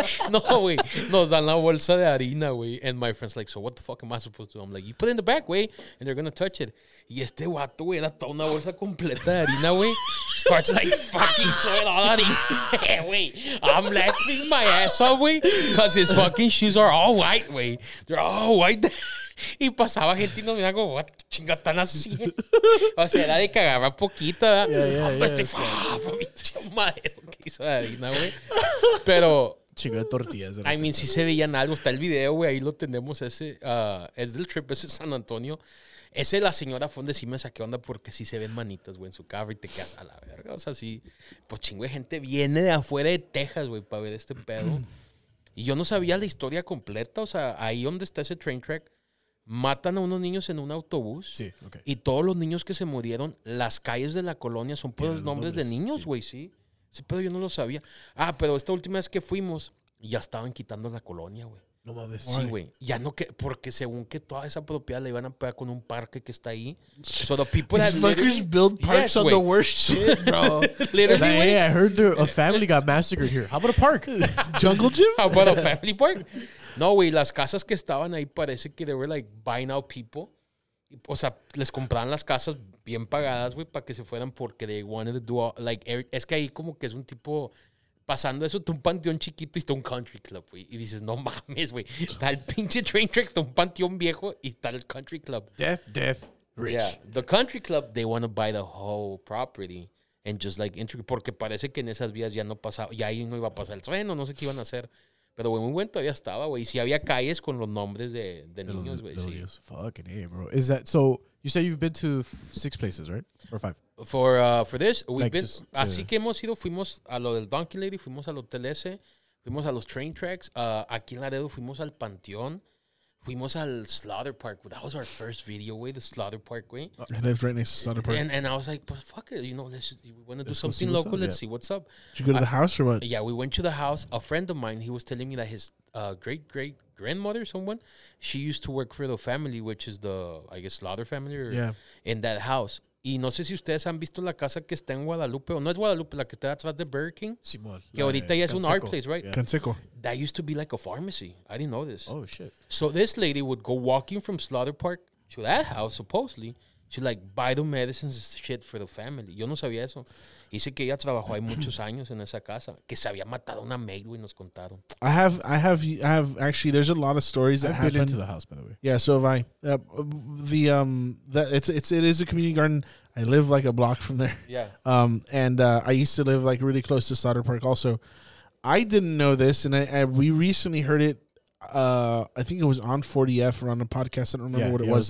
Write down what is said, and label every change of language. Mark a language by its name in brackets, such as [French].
[English] No, güey, nos dan la bolsa de harina, güey, and my friend's like, so what the fuck am I supposed to do? I'm like, you put it in the back, güey, and they're gonna touch it. [Spanish] Y este guato, güey, era toda una bolsa completa de harina, güey, starts like, fucking throwing all harina, güey. [English] I'm laughing my ass off, güey, because his fucking shoes are all white, güey. They're all white. [Spanish] Y pasaba gente y nos miraba como, ¿qué chingas tan así? O sea, era de que agarra poquita, ¿verdad? Que hizo la harina, güey. Pero. Chingo de tortillas. I mean, sí se veían algo. Está el video, güey. Ahí lo tenemos. Ese es del trip, ese es San Antonio. Ese la señora fue donde sí me saqué onda porque sí se ven manitas, güey, en su carro y te quedas a la verga. O sea, sí. Pues chingo de gente viene de afuera de Texas, güey, para ver este pedo. Y yo no sabía la historia completa. O sea, ahí donde está ese train track. Matan a unos niños en un autobús. Sí, ok. Y todos los niños que se murieron, las calles de la colonia son por los nombres de niños, güey, sí. Sí, pero yo no lo sabía. Ah, pero esta última vez que fuimos, ya estaban quitando la colonia, güey. No mames. Sí, güey. Ya no, que porque según que toda esa propiedad la iban a pegar con un parque que está ahí. [English] So the people that these fuckers build parks, yes, on wey. The worst shit, bro. Literally, like, hey, I heard a family got massacred here. How about a park? Jungle gym? How about a family park? No, güey, las casas que estaban ahí parece que they were like buying out people. [Spanish] O sea, les compraban las casas bien pagadas, güey, para que se fueran porque they wanted to do all, like, es que ahí como que es un tipo, pasando eso, un panteón chiquito y está un country club, güey. Y dices, no mames, güey. Está el pinche train track, está un panteón viejo y está el country club. [English] Death, rich. Yeah, [Spanish] the country club, they want to buy the whole property and just like, porque parece que en esas vías ya no pasaba, ya ahí no iba a pasar el tren, no sé qué iban a hacer. Pero, güey, muy bueno todavía estaba, güey. Y sí había calles con los nombres de niños, güey. Sí. [English] Fucking A, bro. Is that, so, you said you've been to six places, right? Or five? [Spanish] For this, we've like been, así que hemos ido, fuimos a lo del Donkey Lady, fuimos al Hotel S, fuimos a los train tracks, aquí en Laredo fuimos al Panteón, fuimos al Slaughter Park. [English] That was our first video, güey, the Slaughter Park, güey. And it's right next to Slaughter Park. And I was like, but fuck it, you know, we want to do something local, let's see what's up. Did you go to the house or what? Yeah, we went to the house. A friend of mine, he was telling me that his great-great-grandmother, someone, she used to work for the family, which is the, I guess, Slaughter family, or in that house. [Spanish] Y no sé si ustedes han visto la casa que está en Guadalupe, o no es Guadalupe, la que está atrás de Burger King. Simón. Que ahorita ya es un art place, right? [English] Yeah. Canseco. That used to be like a pharmacy. I didn't know this. Oh, shit. So this lady would go walking from Slaughter Park to that house, supposedly, to like buy the medicines and shit for the family. [Spanish] Yo no sabía eso. Dice que ella trabajó ahí muchos años en esa casa, que se había matado una maid, güey, nos contaron. [English] I have actually, there's a lot of stories that happened. I've been into the house, by the way. Yeah, so have I. It is a community garden. I live like a block from there. Yeah. I used to live like really close to Slaughter Park also. I didn't know this, and we recently heard it, I think it was on 40F or on a podcast, I don't remember what it was.